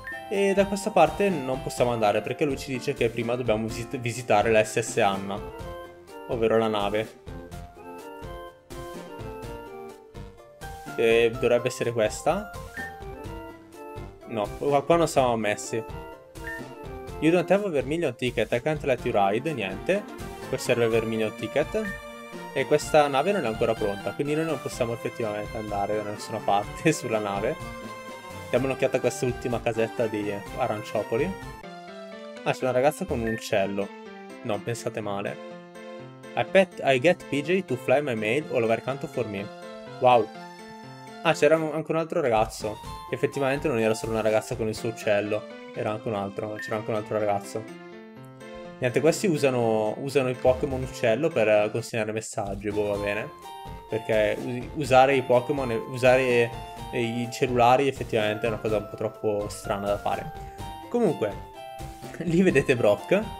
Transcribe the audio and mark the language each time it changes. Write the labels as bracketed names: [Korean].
[Italian] E da questa parte non possiamo andare, perché lui ci dice che prima dobbiamo visitare la SS Anna, ovvero la nave. E dovrebbe essere questa. No, qua non siamo ammessi. [English] You don't have a Vermilion ticket, I can't let you ride. [Italian] Niente. Qui serve il Vermilion ticket. E questa nave non è ancora pronta, quindi noi non possiamo effettivamente andare da nessuna parte sulla nave. Diamo un'occhiata a questa ultima casetta di Aranciopoli. Ah, c'è una ragazza con un uccello. No, pensate male. [English] I get PJ to fly my mail all over canto for me. Wow. [Italian] Ah, c'era anche un altro ragazzo. Effettivamente non era solo una ragazza con il suo uccello. Era anche un altro, c'era anche un altro ragazzo. Niente, questi usano i Pokémon uccello per consegnare messaggi, boh, va bene. Perché usare i Pokémon, usare i cellulari effettivamente è una cosa un po' troppo strana da fare. Comunque, lì vedete Brock,